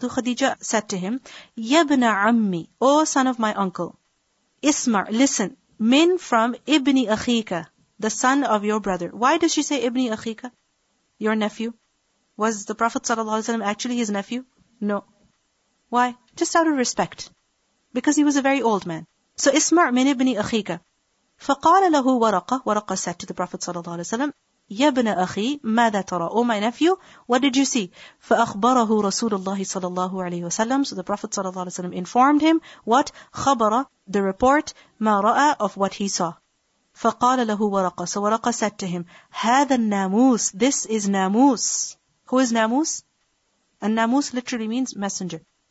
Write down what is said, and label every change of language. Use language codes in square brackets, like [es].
[en] Khadija said to him, [ar] يَبْنَ عَمِّي. [en] O son of my uncle. اسْمَعْ. Listen. [ar] مِنْ from إِبْنِ أَخِيكَ. [en] The son of your brother. Why does she say [ar] إِبْنِ أَخِيكَ? [en] Your nephew. Was the Prophet ﷺ actually his nephew? No. Why? Just out of respect. Because he was a very old man. [ar] So, اسْمَعْ مِنْ إِبْنِ أَخِيكَ. فَقَالَ لَهُ وَرَقَ. وَرَقَ [en] said to the Prophet [ar] ﷺ, يَا بْنَ أَخِي مَاذَا تَرَى. [en] Oh, my nephew, what did you see? [ar] فَأَخْبَرَهُ رَسُولُ اللَّهِ صَلَى اللَّهُ عَلَيْهُ وَسَلَّمُ. [en] So the Prophet صلى الله عليه وسلم informed him what? خَبَرَ, the report, [ar] مَا رَأَى, [en] of what he saw. [ar] فَقَالَ لَهُ وَرَقَ. [en] So [ar] وَرَقَ [en] said to him, [ar] هَذَا النَّامُوس. [en] This is ناموس. Who is ناموس? الناموس literally means messenger.